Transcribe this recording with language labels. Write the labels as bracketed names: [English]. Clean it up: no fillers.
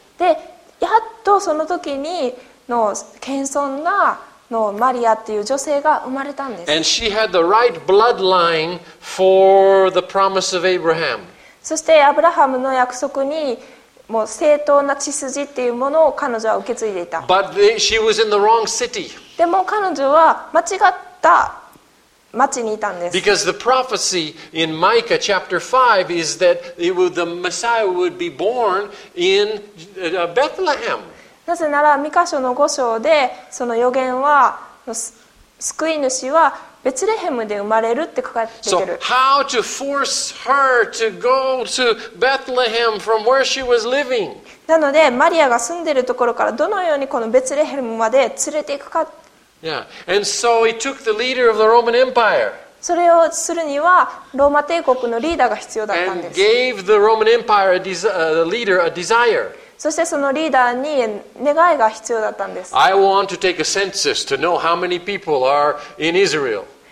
[Japanese] で、やっとその時にの謙遜なのマリアっていう女性が生まれたんです。 [English] And she had the right bloodline for the promise of Abraham. [Japanese] そしてアブラハムの約束にもう正当な血筋っていうものを彼女は受け継いでいた。 [English] But she was in the wrong city. [Japanese] でも彼女は間違った町にいたんです。 [English] Because the prophecy in Micah chapter 5 is that the Messiah would be born in Bethlehem. [Japanese] なぜならミカ書の5章でその予言は救い主はベツレヘムで生まれるって書かれている。 [English] So how to force her to go to Bethlehem from where she was living? [Japanese] なのでマリアが住んでいるところからどのようにこのベツレヘムまで連れていくか。 [English] Yeah, and so he took the leader of the Roman Empire. [Japanese] それをするにはローマ帝国のリーダーが必要だったんです。 [English] And gave the Roman Empire leader a desire. [Japanese] そしてそのリーダーに願いが必要だったんです。 [English] I want to take a census to know how many people are in Israel.